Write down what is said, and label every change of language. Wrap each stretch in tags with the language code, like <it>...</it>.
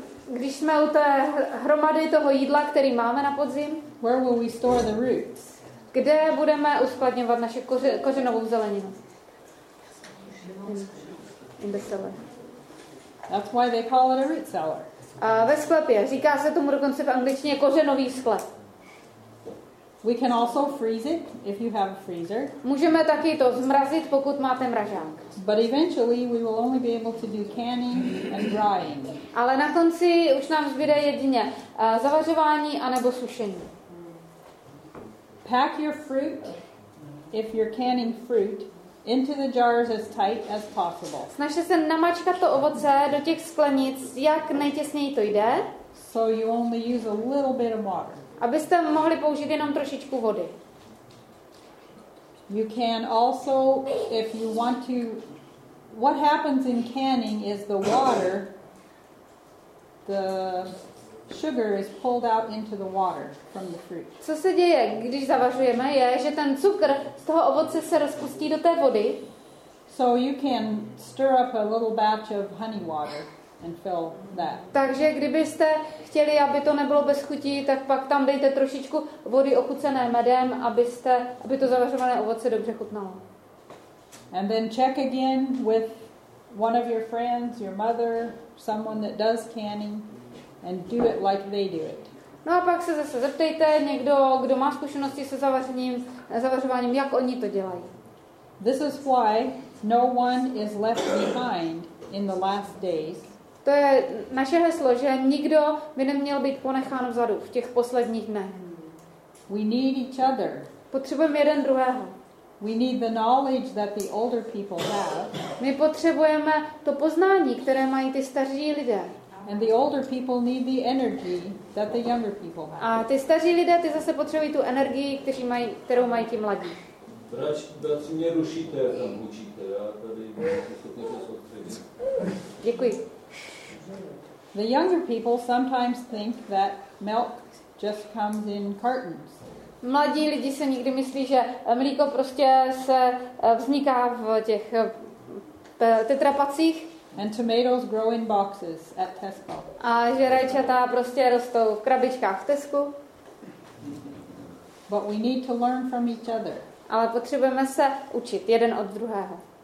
<cs>Když jsme u té hromady toho jídla, který máme na podzim.</cs> <en>Where will we store the roots?</en> <cs>Kde budeme uskladňovat naše kořenovou zeleninu?</cs> <en>In the cellar. That's why they call it a root cellar.</en> <cs>Ve sklepě. Říká se tomu dokonce v angličtině kořenový sklep.</cs> <en>We can also freeze it if you have a freezer.</en> <cs>Můžeme taky to zmrazit, pokud máte mražák.</cs> <en>But eventually we will only be able to do canning and drying.</en> <cs>Ale na konci už nám zbyde jedině zavařování a nebo sušení.</cs> <en>Pack your fruit if you're canning fruit into the jars as tight as possible.</en> <cs>Snažte se namačkat to ovoce do těch sklenic, jak nejtěsněji to jde.</cs> <en>So you only use a little bit of water.</en> <cs>Abyste mohli použít jenom trošičku vody.</cs> <en>You can also, if you want to, what happens in canning is the water, the sugar is pulled out into the water from the fruit.</en> <cs>Co se děje, když zavařujeme, je, že ten cukr z toho ovoce se rozpustí do té vody.</cs> <en>So you can stir up a little batch of honey water. And fill that.</en> <cs>Takže kdybyste chtěli, aby to nebylo bez chutí, tak pak tam dejte trošičku vody ochucené medem, aby to zavařované ovoce dobře chutnalo.</cs> <en>And then check again with one of your friends, your mother, someone that does canning, and do it like they do it.</en> <cs>No a pak se zase zeptejte někdo, kdo má zkušenosti se zavařováním, jak oni to dělají.</cs> <en>This is why no one is left behind in the last days.</en> <cs>To je naše heslo, že nikdo by neměl být ponechán vzadu v těch posledních dnech.</cs> <en>We need each other.</en> <cs>Potřebujeme jeden druhého.</cs> <en>We need the knowledge that the older people have.</en> <cs>My potřebujeme to poznání, které mají ty starší lidé.</cs> <en>And the older people need the energy that the younger people have.</en> <cs>A ty starší lidé, ty zase potřebují tu energii, kterou mají ti mladí. Bratři, mě rušíte, tam učíte. Já tady soustředím. Děkuji.</cs> <en>The younger people sometimes think that milk just comes in cartons.</en> <cs>Mladí lidi se někdy myslí, že mlíko prostě se vzniká v těch tetrapacích.</cs> <en>And tomatoes grow in boxes at Tesco.</en> <cs>A že rajčata prostě rostou v krabičkách v Tesku.</cs> <en>But we need to learn from each other.</en> <cs>Ale potřebujeme se učit jeden od druhého.</cs>